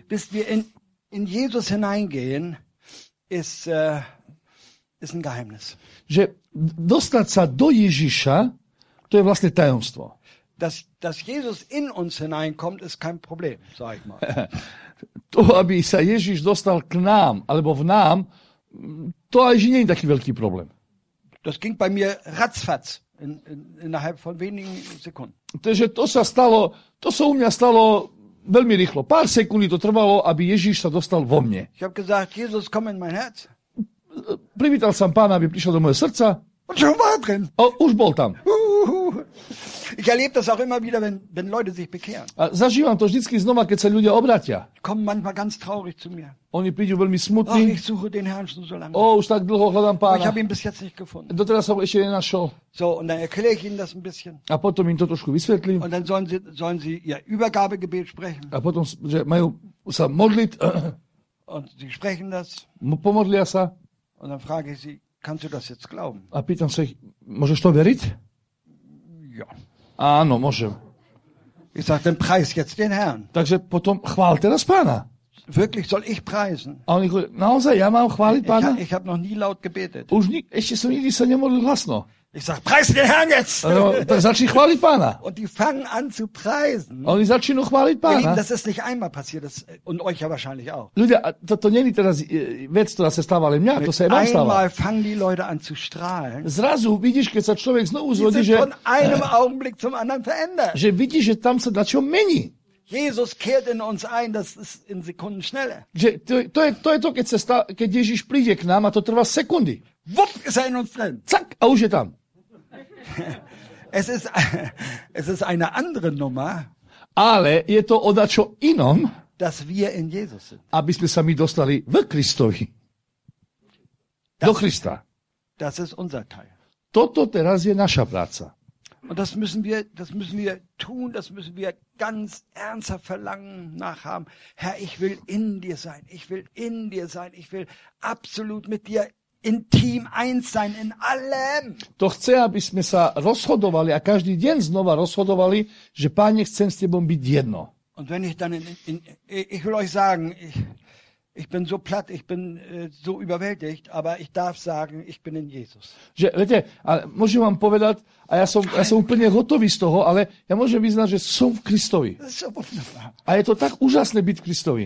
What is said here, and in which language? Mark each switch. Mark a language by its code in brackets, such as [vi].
[de] Bis wir in Jesus hineingehen, ist ein Geheimnis. [sk] Že dostať sa do Ježiša, to je vlastne tajomstvo. [de] Dass Jesus in uns hineinkommt, ist kein Problem, sag ich mal. [sk] To, aby sa Ježiš dostal k nám, alebo v nám, to aj nie je taký veľký problém. [de] Das ging bei mir ratzfatz innerhalb von wenigen Sekunden. [sk] Takže to sa stalo, to sa u mňa stalo veľmi rýchlo. Pár sekúnd to trvalo, aby Ježiš sa dostal vo mne. [de] Ich hab gesagt, Jesus, komm in mein Herz. [sk] Privítal som Pána, aby prišiel do moje srdca. Už bol tam. [de] Ich erlebe das auch immer wieder, wenn Leute sich bekehren. [sk] A zažívam to vždycky znova, keď sa ľudia obrátia. [de] Kommen manchmal ganz traurig zu mir. [sk] Oni prídu veľmi smutní. [de] Oh, ich suche den Herrn schon so lange. [sk] Oh, už tak dlho hľadám Pána. [de] Oh, ich habe ihn bis jetzt nicht gefunden. [sk] Doteraz som ešte nenašol. [de] So, und dann erkläre ich ihnen das ein bisschen. [sk] A potom im to trošku vysvetlím. [de] Und dann sollen sie ihr Übergabegebet sprechen. [sk] A potom, že majú sa modliť. [de] Und sie sprechen das. [sk] Pomodlia sa. [de] Und dann frage ich sie, kannst du das jetzt glauben? [sk] A pýtam sa ich, môžeš to veriť? [de] Ja. [sk] Áno, môžem. [de] Ich sag den Preis jetzt den Herrn. [sk] Takže potom chvál teraz Pána. [de] Wirklich soll ich preisen? [sk] A oni hovorí, naozaj, ja mám chváliť Pána? [de] Ich hab noch nie laut gebetet. [sk] Už ešte som nikdy sa nemodlil hlasno. [de] Ich sag, preis den Herrn jetzt! [sk] No, tak začni chváliť Pána. [de] Und die fangen an zu preisen. [sk] A oni začnú chváliť Pána. [de] Das ist nicht einmal passiert, das, und euch ja wahrscheinlich auch. [sk] Ľudia, to nie je teraz vec, ktorá sa stáva len mňa, to sa aj vám stáva. [de] Einmal fangen die Leute an zu strahlen. [sk] Zrazu vidíš, keď sa človek znovu zrodí, že... [de] Von einem Augenblick zum anderen verändert. [sk] Že vidíš, že tam sa dačo mení. [de] Jesus kehrt in uns ein, das ist in Sekunden schneller. [sk] To je to, keď Ježiš príde k nám a to trvá sekundy. [de] Wupp, ist er in uns drin. [sk] Zack, a už je tam. [de] Es ist eine andere Nummer. [sk] Ale je to o dačo inom, [de] dass wir in Jesus sind. [sk] Aby sme sa my dostali v Kristovi. Do Krista. [de] Das ist unser Teil. [sk] Toto teraz je naša práca. [de] Und das müssen wir tun, das müssen wir ganz ernsthaft verlangen nachhaben. Herr, ich will in dir sein. Ich will in dir sein. Ich will absolut mit dir intim eins sein in allem. [sk] To chce, aby sme sa rozhodovali a každý deň znova rozhodovali, že Páne, chcem s tebou byť jedno. [de] Und wenn ich dann ich will euch sagen, ich bin so platt, ich bin so überwältigt, aber ich darf sagen, ich bin in Jesus. [sk] Že, viete, môžem vám povedať, a ja som úplne hotový z toho, ale ja môžem vyznať, že som v Kristovi. A je to tak úžasné byť v Kristovi.